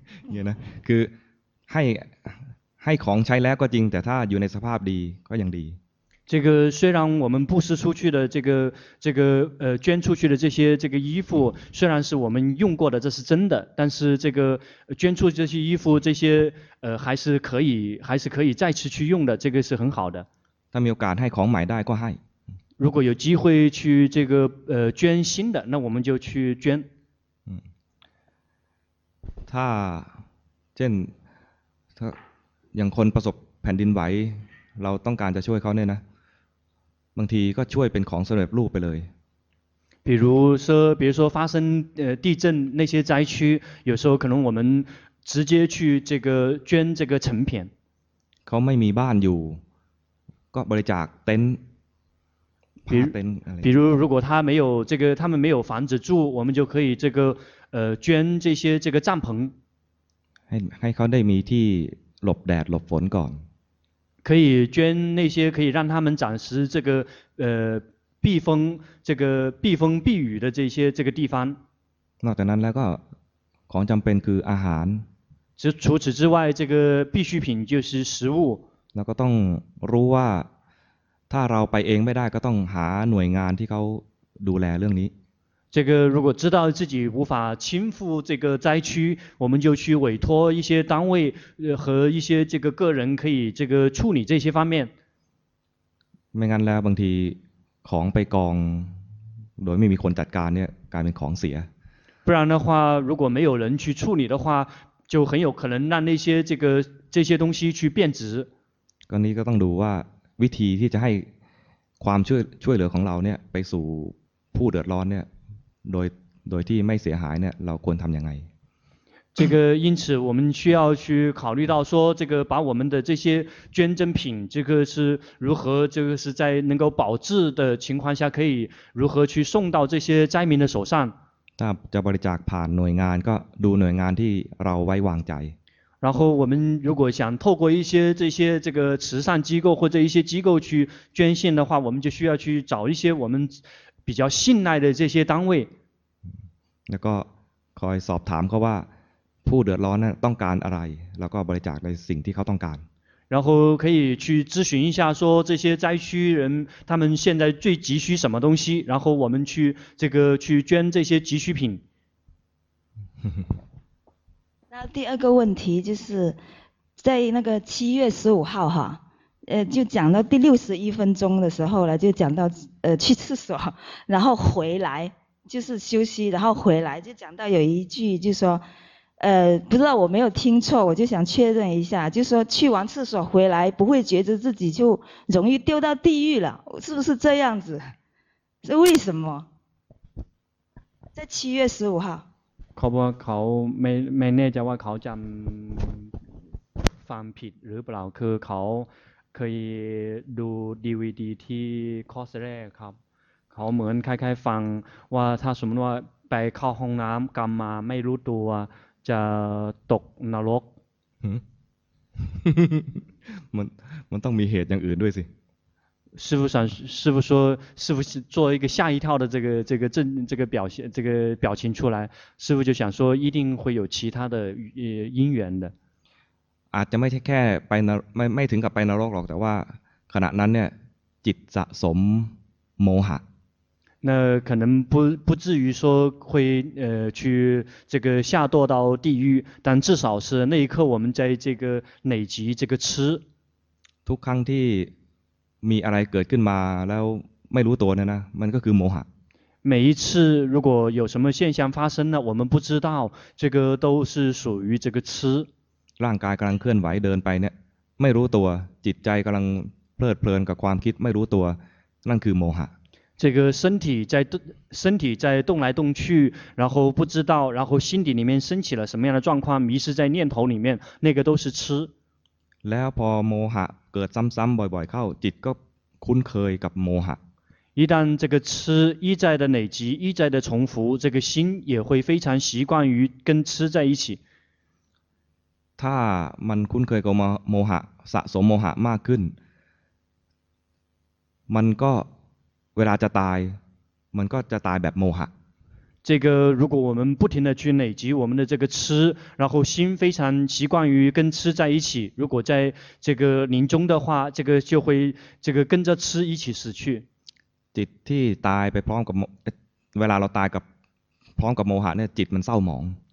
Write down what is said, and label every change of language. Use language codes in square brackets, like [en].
[th] เนี่ยนะคือให้ของใช้แล้วก็จริงแต่ถ้าอยู่ในสภาพดีก็ยังดี [zh] 这个虽然我们布施出去的这个捐出去的这些这个衣服虽然是我们用过的这是真的但是这个捐出这些衣服这些还是可以再次去用的这个是很好的他没有敢 [th] ให้ของใหม่ได้ก็ให้ [zh] 如果有机会去这个捐新的那我们就去捐 [th] ถ้าเช่นถ้าอย่างคนประสบแผ่นดินไหว เราต้องการจะช่วยเขาเนี่ยนะบางทีก็ช่วยเป็นของสำเร็จรูปไปเลย [zh] 比如说发生地震那些灾区有时候可能我们直接去这个捐这个成品 [th] เขาไม่มีบ้านอยู่ก็บริจาคเต็นท์ผ้าเต็นท์ [zh] 比如如果他没有这个他们没有房子住我们就可以这个捐这些这个帐篷 [th] ให้เขาได้มีที่หลบแดดหลบฝนก่อน [zh] 可以捐那些可以让他们暂时这个避风这个避风避雨的这些这个地方 [th] นอกจากนั้นแล้วก็ของจำเป็นคืออาหาร [zh] 除此之外这个必需品就是食物 [th] แล้วก็ต้องรู้ว่าถ้าเราไปเองไม่ได้ก็ต้องหาหน่วยงานที่เขาดูแลเรื่องนี้ [zh] 这个如果知道自己无法亲赴这个灾区，我们就去委托一些单位和一些这个个人可以这个处理这些方面。 [th] ไม่งั้นแล้วบางทีของไปกองโดยไม่มีคนจัดการเนี่ยกลายเป็นของเสีย。 [zh] 不然的话，如果没有人去处理的话，就很有可能让那些这些东西去变质。 [th] ก็นี่ก็ต้องดูว่าวิธีที่จะให้ความช่วยเหลือของเราเนี่ยไปสู่ผู้เดือดร้อนเนี่ยโดยที่ไม่เสียหายเนี่ยเราควรทำยังไง [zh] 这个因此我们需要去考虑到说这个把我们的这些捐赠品这个是如何这个是在能够保质的情况下可以如何去送到这些灾民的手上 [th] ถ้าจะบริจาคผ่านหน่วยงานก็ดูหน่วยงานที่เราไว้วางใจ [zh] 然后我们如果想透过一些这些这个慈善机构或者一些机构去捐献的话我们就需要去找一些我们比较信赖的这些单位 [th] แล้วก็คอยสอบถามเขาว่าผู้เดือดร้อนนั้นต้องการอะไรแล้วก็บริจาคในสิ่งที่เขาต้องการ [zh] 然后可以去咨询一下说这些灾区人他们现在最急需什么东西然后我们去这个去捐这些急需品那第二个问题就是在那个7月15号哈就讲到第61分钟的时候了就讲到去厕所然后回来就是休息然后回来就讲到有一句就说不知道我没有听错我就想确认一下就说去完厕所回来不会觉得自己就容易丢到地狱了是不是这样子是为什么在7月15号 [th] เขาบอกเขาไม่แน่ใจว่าเขาจำฟังผิดหรือเปล่าคือเขาเคยดู DVD ที่คอร์สแรกครับเขาเหมือนคล้ายๆฟังว่าถ้าสมมติว่าไปเข้าห้องน้ำกรรมมาไม่รู้ตัวจะตกนรก มันต้องมีเหตุอย่างอื่นด้วยสิ [zh] 师父想师父说师父做一个吓一跳的这个表现这个表情出来师父就想说一定会有其他的因缘的 [th] อาจจะไม่แค่ไปไม่ถึงกับไปนรกหรอกแต่ว่าขณะนั้นเนี่ยจิตสะสมโมหะ [zh] 那可能不至于说会去这个下堕到地狱但至少是那一刻我们在这个累积这个痴 [th] ทุกครั้งที่มีอะไรเกิดขึ้นมาแล้วไม่รู้ตัวเนี่ยนะมันก็คือโมหะ [zh] 每一次如果有什么现象发生了我们不知道这个都是属于这个痴 [th] ร่างกายกำลังเคลื่อนไหวเดินไปเนี่ยไม่รู้ตัวจิตใจกำลังเพลิดเพลินกับความคิดไม่รู้ตัวนั่นคือโมหะ [zh] 这个身体在动来动去然后不知道然后心底里面升起了什么样的状况迷失在念头里面那个都是痴 [th] แล้วพอโมหะเกิดซ้ำๆบ่อยๆเข้าจิตก็คุ้นเคยกับโมหะ [zh] 一旦这个痴一再的累积一再的重复这个心也会非常习惯于跟痴在一起 [th] ถ้ามันคุ้นเคยกับโมหะสะสมโมหะมากขึ้นมันก็เวลาจะตายมันก็จะตายแบบโมหะ [zh] 这个如果我们不停的去累积我们的这个痴然后心非常习惯于跟痴在一起如果在这个临终的话这个就会这个跟着痴一起死去 [th] จิตที่ตายไปพร้อมกับเวลาเราตายกับพร้อมกับโมหะเนี่ยจิตมันเศร้าหมอง